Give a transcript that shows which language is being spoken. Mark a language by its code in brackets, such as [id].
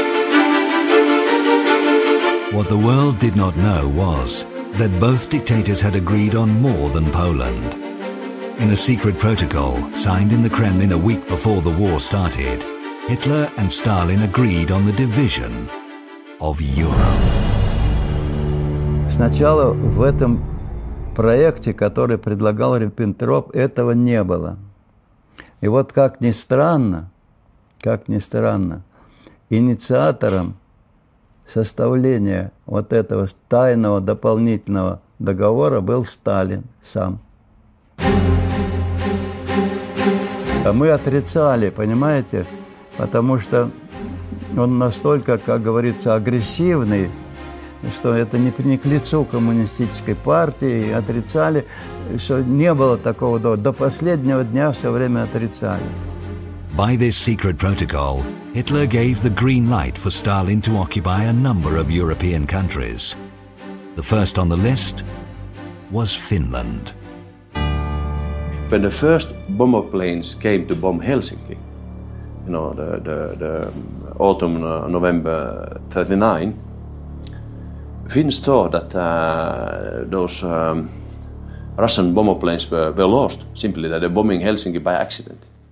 [en] What the world did not know was that both dictators had agreed on more than Poland. In a secret protocol signed in the Kremlin a week before the war started, Hitler and Stalin agreed on the division of Europe. [ru] Сначала в этом проекте, который предлагал Риббентроп, этого не было. И вот как ни странно, инициатором составления вот этого тайного дополнительного договора был Сталин сам. Мы отрицали, понимаете, потому что он настолько, как говорится, агрессивный, что это не к лицу коммунистической партии, и отрицали, что не было такого договора. До последнего дня все время отрицали. [en] By this secret protocol, Hitler gave the green light for Stalin to occupy a number of European countries. The first on the list was Finland. When the first bomber planes came to bomb Helsinki, you know, the autumn, November 39, Finns thought that those Russian bomber planes were lost, simply that they're bombing Helsinki by accident.